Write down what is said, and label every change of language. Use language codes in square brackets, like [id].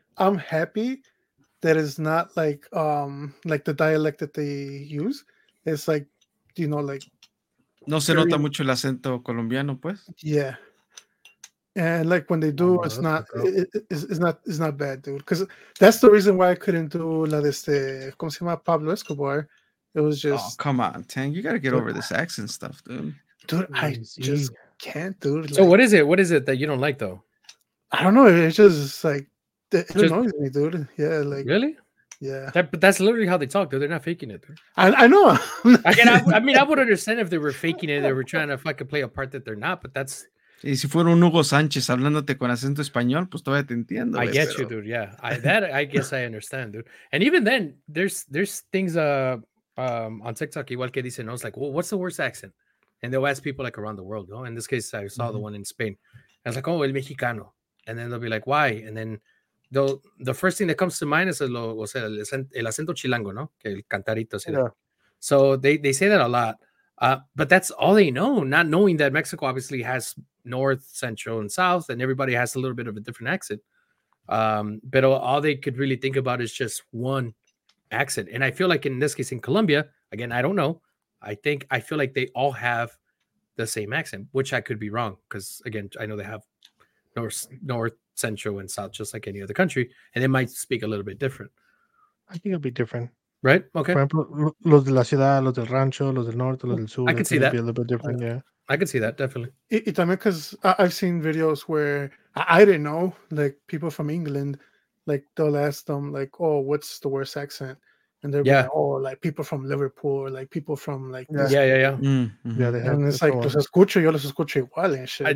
[en] I'm happy that it's not like the dialect that they use. It's like, you know, like. [es] No se nota mucho el acento colombiano, pues. [en] Yeah. And like when they do, it's not bad, dude. Because that's the reason why I couldn't do [es] la de este, ¿cómo se llama? [en] Pablo Escobar. It was just. Oh, come on, Tang. You got to get over this accent stuff, dude. Dude, I just can't, dude. Like, so what is it? What is it that you don't like, though? I don't know. It's just like, it annoys me, dude. Yeah, like. Really? Yeah, that's literally how they talk, though. They're not faking it. I know. I mean, I would understand if they were faking it. They were trying to fucking play a part that they're not. But that's. [es] Y si fuera un Hugo Sánchez hablándote con acento español, pues todavía te entiendo. [en] I get you, dude. Yeah, I guess I understand, dude. And even then, there's things on TikTok [es] igual que dicen. [en] I was like, well, what's the worst accent? And they'll ask people like around the world. No, in this case, I saw mm-hmm. the one in Spain. I was like, oh, [es] el mexicano. [en] And then they'll be like, why? And then. The first thing that comes to mind is [es] el acento chilango, ¿no? Que el cantarito. [en] Yeah. So they say that a lot. But that's all they know, not knowing that Mexico obviously has north, central, and south, and everybody has a little bit of a different accent. But all they could really think about is just one accent. And I feel like in this case, in Colombia, again, I don't know. I feel like they all have the same accent, which I could be wrong, because, again, I know they have north, central and south, just like any other country, and they might speak a little bit different. I think it'll be different, right? Okay. [es] For example, los de la ciudad, los del rancho, los del norte, los del sur. [en] I can see that be a little bit different. Yeah, I can see that definitely. It's también because I've seen videos where I didn't know, like people from England, like they'll ask them, like, "Oh, what's the worst accent?" And they're yeah. like, "Oh, like people from Liverpool, or like people from like this. Yeah, yeah, yeah, mm-hmm. yeah." They have, and it's like, [es] "Los escucho, yo los escucho igual [en] and shit."